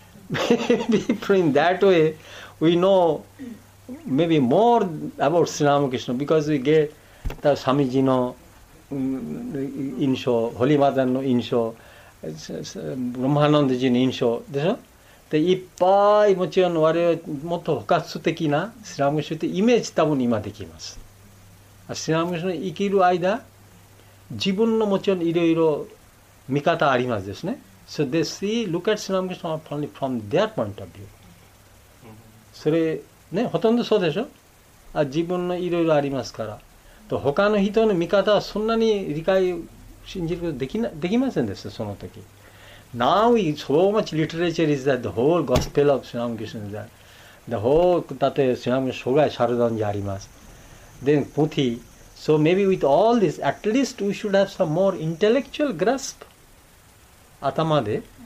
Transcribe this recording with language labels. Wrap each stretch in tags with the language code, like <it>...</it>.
<en>Maybe in that way, we know maybe more about スラムクリシナ because we get the Swamiji の印象、ホリマダの印象、ブラマハナンダジの印象でしょ。</en> <ja>でいっぱいもちろん我々もっと補活的なスラムクリシナってイメージ多分今できます。シラムクリシナ生きる間、自分のもちろんいろいろ見方ありますですね。</ja> <en>So they see, look at シラムクリシナ only from their point of view.</en> <ja>それ、ね、ほとんどそうでしょ？自分のいろいろありますから。と他の人の見方はそんなに理解、信じることできませんです、その時。</ja> <en>Now, so much literature is that the whole gospel of シラムクリシナ is that.</en> <ja>The whole, 例えばシラムクリシナ生涯サルダンジあります。 Then puthi.</ja> <en>So maybe with all this, at least we should have some more intellectual grasp. Atamade.</en>